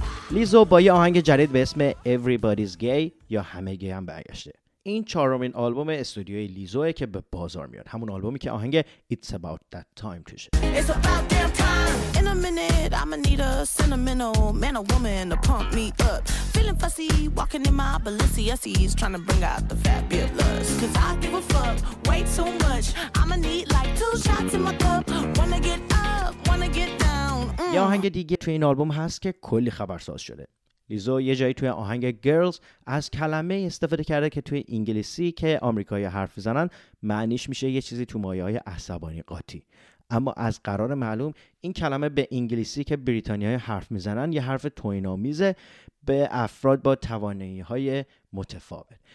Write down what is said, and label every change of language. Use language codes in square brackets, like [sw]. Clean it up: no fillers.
[fa] لیزو با یه آهنگ جدید به اسم Everybody's Gay یا همه گی هم برگشته. این چهارمین آلبوم استودیوی لیزوه که به بازار میاد، همون آلبومی که آهنگ It's About That Time توشه. [en] It's about damn time. In a minute I'ma need a sentimental man or woman to pump me up. Feeling fussy, walking in my Balenciennes, trying to bring out the fabulous. Cause I give a fuck way too much. I'ma need like two shots in my cup. Wanna get up, wanna get down. [fa] یه آهنگ دیگه توی این آلبوم هست که کلی خبرساز شده. لیزو یه جایی توی آهنگ Girls از کلمه استفاده کرده که توی انگلیسی که آمریکایی حرف زنن معنیش میشه یه چیزی تو مایه های عصبانی قاطی. اما از قرار معلوم این کلمه به انگلیسی که بریتانیایی حرف میزنن یه حرف توهین‌آمیزه به افراد با توانایی های متفاوت.